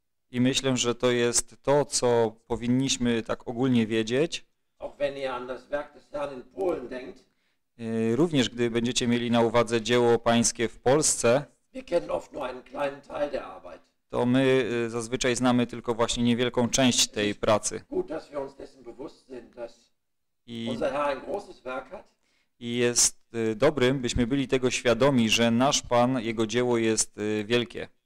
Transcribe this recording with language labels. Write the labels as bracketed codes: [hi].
[pl] I myślę, że to jest to, co powinniśmy tak ogólnie wiedzieć. [de] Auch wenn ihr an das Werk des Herrn in Polen denkt. [pl] Również gdy będziecie mieli na uwadze dzieło pańskie w Polsce. [de] Wir kennen oft nur einen kleinen Teil der Arbeit. [pl] To my zazwyczaj znamy tylko właśnie niewielką część tej pracy. [de] Gut, dass wir uns dessen bewusst sind, dass unser Herr ein großes Werk hat. [pl] I jest dobrym, byśmy byli tego świadomi, że nasz Pan, jego dzieło jest wielkie.